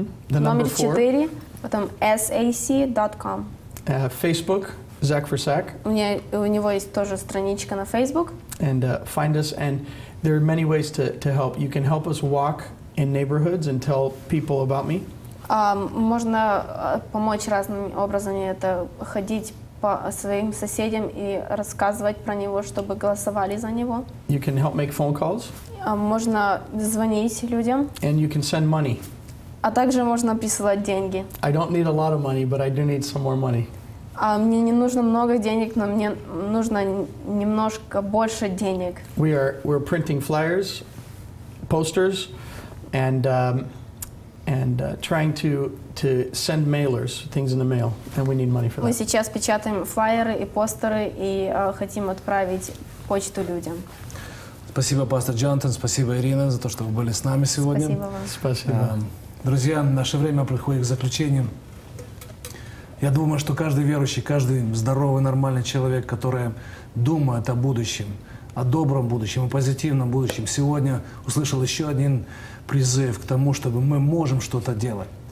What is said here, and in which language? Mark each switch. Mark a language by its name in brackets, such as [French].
[Russian] номер 4, потом sac.com. [English] Facebook, zacforsac. [Russian] У него есть тоже страничка на Facebook. [English] And find us, and there are many ways to help. You can help us walk in neighborhoods and tell people about me. [Russian] Можно помочь разными образами. Это ходить по своим соседям и рассказывать про него, чтобы голосовали за него. [English] You can help make phone calls. [Russian] Можно звонить людям. [English] And you can send money. [Russian] А также можно присылать деньги. [English] I don't need a lot of money, but I do need some more money. [Russian] Мне не нужно много денег, но мне нужно немножко больше денег. [English] We're printing flyers, posters, and trying to send mailers, things in the mail, and we need money for that. [Russian] Мы сейчас печатаем флаеры и постеры и хотим отправить почту людям. Спасибо, пастор Джонатан, спасибо, Ирина, за то, что вы были с нами сегодня. Спасибо вам. Спасибо. Друзья, наше время приходит к заключению. Я думаю, что каждый верующий, каждый здоровый, нормальный человек, который думает о будущем, о добром будущем, о позитивном будущем, сегодня услышал еще один призыв к тому, чтобы мы можем что-то делать.